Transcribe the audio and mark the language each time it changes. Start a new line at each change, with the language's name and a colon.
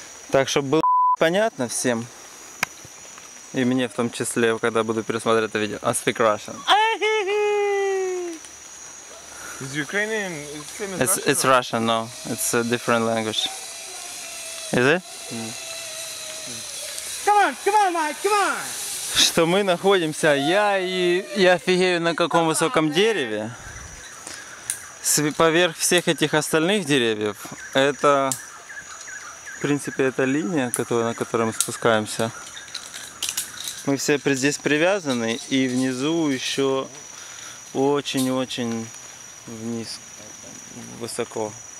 Russian: Так, чтобы было понятно всем. И мне в том числе, когда буду пересматривать это видео.
English: I speak Russian. Is Ukrainian the same as Russian? It's Russian, no. It's a different language. Is it? Mm. Come on, come on, Mike, come on!
Russian: Что мы находимся, я офигею, на каком высоком дереве. Поверх всех этих остальных деревьев, это, в принципе, эта линия, на которой мы спускаемся. Мы все здесь привязаны, и внизу еще очень-очень вниз, высоко.